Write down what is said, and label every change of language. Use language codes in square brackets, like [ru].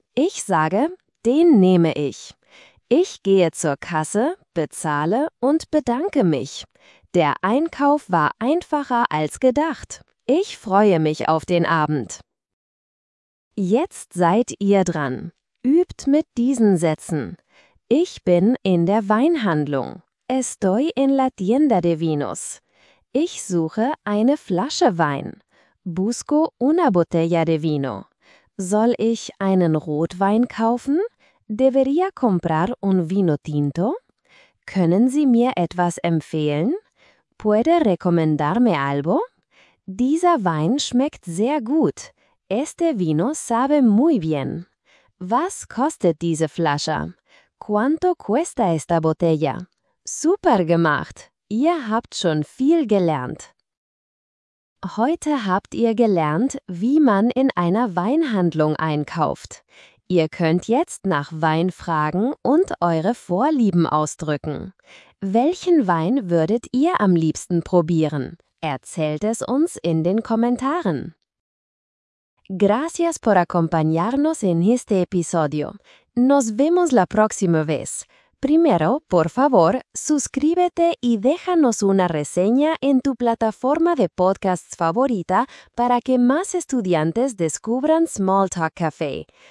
[de] Ich sage: Den nehme ich. Ich gehe zur Kasse, bezahle und bedanke mich. Der Einkauf war einfacher als gedacht. Ich freue mich auf den Abend. Jetzt seid ihr dran. Übt mit diesen Sätzen. Ich bin in der Weinhandlung. [es] Estoy en la tienda de vinos. [de] Ich suche eine Flasche Wein. [es] Busco una botella de vino. [de] Soll ich einen Rotwein kaufen? [es] Debería comprar un vino tinto? [de] Können Sie mir etwas empfehlen? [es] ¿Puede recomendarme algo? [de] Dieser Wein schmeckt sehr gut. [es] Este vino sabe muy bien. [de] Was kostet diese Flasche? [es] ¿Cuánto cuesta esta botella? [de] Super gemacht! Ihr habt schon viel gelernt. Heute habt ihr gelernt, wie man in einer Weinhandlung einkauft. Ihr könnt jetzt nach Wein fragen und eure Vorlieben ausdrücken. Welchen Wein würdet ihr am liebsten probieren? Erzählt es uns in den Kommentaren. [es] Gracias por acompañarnos en este episodio. Nos vemos la próxima vez. Primero, por favor, suscríbete y déjanos una reseña en tu plataforma de podcasts favorita para que más estudiantes descubran Small Talk Café.